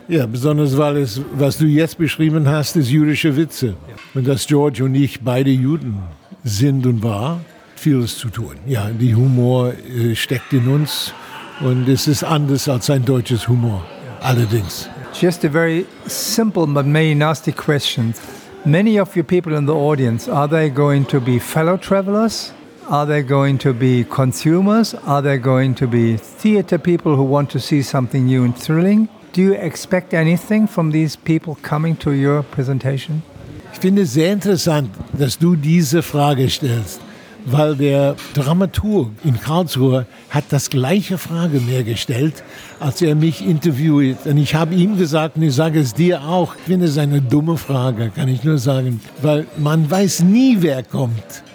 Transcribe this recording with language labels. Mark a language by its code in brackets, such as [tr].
[de] Ja, besonders weil es, was du jetzt beschrieben hast, ist jüdische Witze. Und dass George und ich beide Juden sind und war, vieles zu tun. Ja, der Humor steckt in uns. Und es ist anders als ein deutsches Humor, allerdings. [en] Just a very simple but maybe nasty question. Many of your people in the audience, are they going to be fellow travelers? Are they going to be consumers? Are they going to be theater people who want to see something new and thrilling? Do you expect anything from these people coming to your presentation? [de] Ich finde es sehr interessant, dass du diese Frage stellst, weil der Dramaturg in Karlsruhe hat das gleiche Frage mir gestellt, als er mich interviewt. Und ich habe ihm gesagt, und ich sage es dir auch, ich finde es eine dumme Frage, kann ich nur sagen, weil man weiß nie, wer kommt.